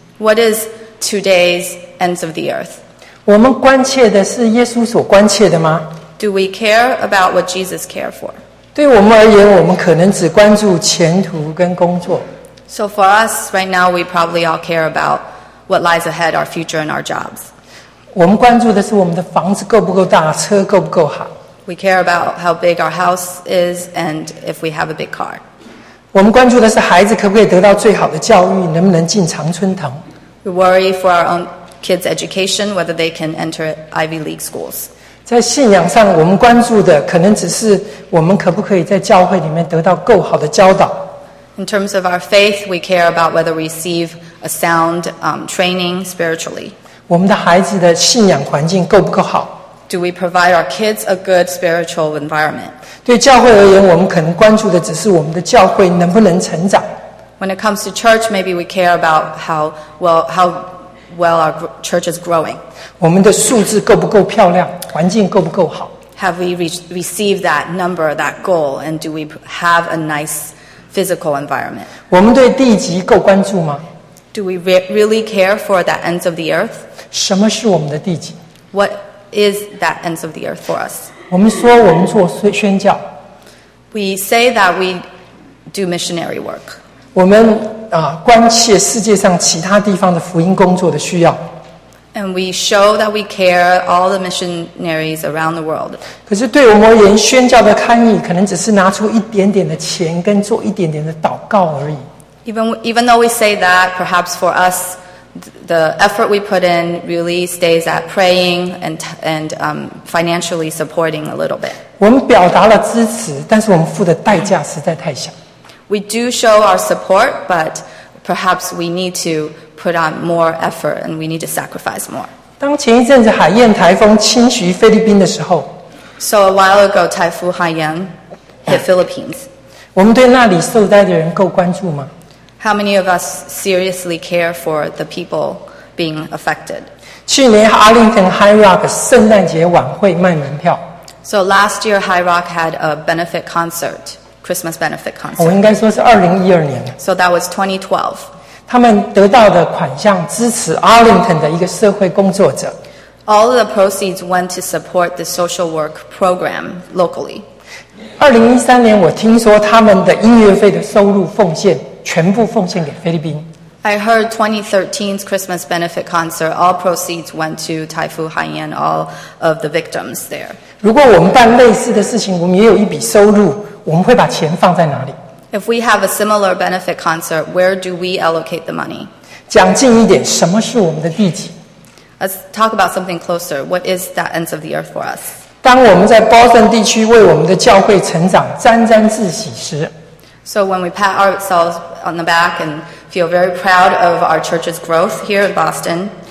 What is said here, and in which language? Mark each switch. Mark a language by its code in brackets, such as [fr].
[en] What is today's ends of the earth? [zh] 我们关切的是耶稣所关切的吗？ [en] Do we care about what Jesus cared for? [zh] 对我们而言，我们可能只关注前途跟工作。 [en] So for us, right now, we probably all care about what lies ahead, our future and our jobs. [zh] 我们关注的是我们的房子够不够大，车够不够好。 [en] We care about how big our house is and if we have a big car. [zh] 我们关注的是孩子可不可以得到最好的教育，能不能进常春藤。 [en] We worry for our own kids' education, whether they can enter Ivy League schools. [zh] 在信仰上，我们关注的可能只是我们可不可以在教会里面得到够好的教导。 [en] In terms of our faith, we care about whether we receive a sound training spiritually. [zh] 我们的孩子的信仰环境够不够好？ [en] Do we provide our kids a good spiritual environment? [zh] 对教会而言，我们可能关注的只是我们的教会能不能成长。 [en] When it comes to church, maybe we care about how well our church is growing. [zh] 我们的数字够不够漂亮？环境够不够好？ [en] Have we received that number, that goal, and do we have a nice... physical environment. [zh] 我们对地极够关注吗？ [en] Do we really care for the ends of the earth? [zh] 什么是我们的地极？ [en] What is that ends of the earth for us? [zh] 我们说我们做宣教。 [en] We say that we do missionary work. [zh] 我们关切世界上其他地方的福音工作的需要。 [en] And we show that we care all the missionaries around the world. [zh] 可是对我们而言，宣教的刊意可能只是拿出一点点的钱跟做一点点的祷告而已。 [en] Even though we say that, perhaps for us, the effort we put in really stays at praying and financially supporting a little bit. [zh] 我们表达了支持，但是我们付的代价实在太小。 [en] We do show our support, but perhaps we need to put on more effort and we need to sacrifice more. [zh] 当前一阵子海燕台风侵袭菲律宾的时候， [en] So a while ago, Typhoon Haiyan hit Philippines. [zh] 我们对那里受灾的人够关注吗？ [en] How many of us seriously care for the people being affected? [zh] 去年 Arlington High Rock 圣诞节晚会卖门票。 [en] So last year, High Rock had a benefit concert, Christmas benefit concert. [zh] 我应该说是2012年。 [en] So that was 2012. [zh] 他们得到的款项支持 Arlington 的一个社会工作者。 [en] All of the proceeds went to support the social work program locally. [zh] 2013年，我听说他们的音乐费的收入奉献全部奉献给菲律宾。 [en] I heard 2013's Christmas benefit concert, all proceeds went to Taifu Haiyan, all of the victims there. [zh] 如果我们办类似的事情, 我们也有一笔收入, 我们会把钱放在哪里? [en] If we have a similar benefit concert, where do we allocate the money? [zh] 讲近一点, 什么是我们的地基? [en] Let's talk about something closer. What is that ends of the earth for us? [zh] 当我们在Boston地区为我们的教会成长, 沾沾自喜时, [en] So when we pat ourselves on the back and feel very proud of our church's growth here in Boston,